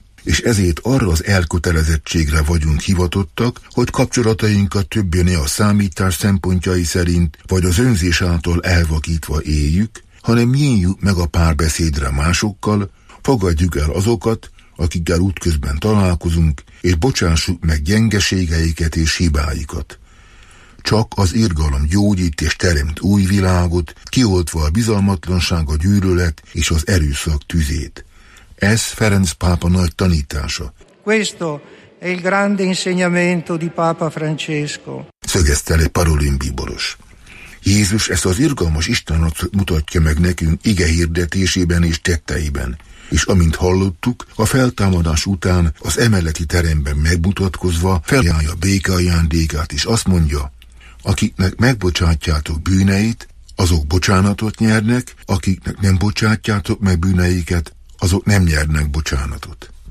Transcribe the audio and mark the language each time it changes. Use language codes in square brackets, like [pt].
[hu] És ezért arra az elkötelezettségre vagyunk hivatottak, hogy kapcsolatainkat többé ne a számítás szempontjai szerint, vagy az önzés által elvakítva éljük, hanem nyíljuk meg a párbeszédre másokkal, fogadjuk el azokat, akikkel útközben találkozunk, és bocsássuk meg gyengeségeiket és hibáikat. Csak az irgalom gyógyít és teremt új világot, kioltva a bizalmatlanság, a gyűlölet és az erőszak tüzét. Ez Ferenc pápa nagy tanítása. [it] Questo è il grande insegnamento di Papa Francesco. [hu] Szögezte le parolin bíboros. Jézus ezt az irgalmas Istenet mutatja meg nekünk ige hirdetésében és tetteiben, és amint hallottuk, a feltámadás után az emeleti teremben megmutatkozva felajánlja béke ajándékát, és azt mondja, akiknek megbocsátjátok bűneit, azok bocsánatot nyernek, akiknek nem bocsátjátok meg bűneiket, azok nem nyernek bocsánatot.